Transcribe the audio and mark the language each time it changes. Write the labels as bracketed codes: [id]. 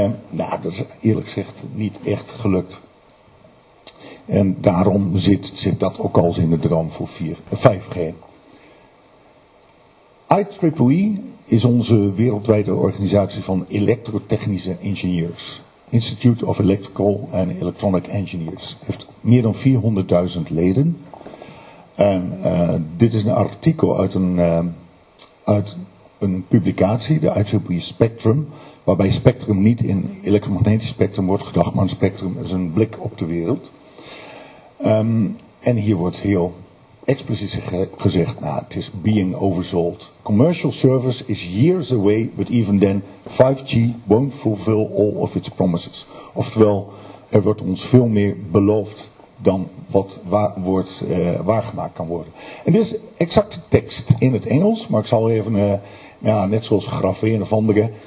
[nl] Nou, dat is eerlijk gezegd niet echt gelukt. En daarom zit dat ook al in de droom voor 5G. IEEE is onze wereldwijde organisatie van elektrotechnische ingenieurs. [en] Institute of Electrical and Electronic Engineers. [nl] Heeft meer dan 400.000 leden. En dit is een artikel uit een publicatie, de IEEE Spectrum. Waarbij spectrum niet in elektromagnetisch spectrum wordt gedacht, maar een spectrum is een blik op de wereld. En hier wordt heel expliciet gezegd, nou, het is [en] being oversold. Commercial service is years away, but even then 5G won't fulfill all of its promises. [nl] Oftewel, er wordt ons veel meer beloofd dan wat waargemaakt kan worden. En dit is exacte tekst in het Engels, maar ik zal even, net zoals graveren of andere.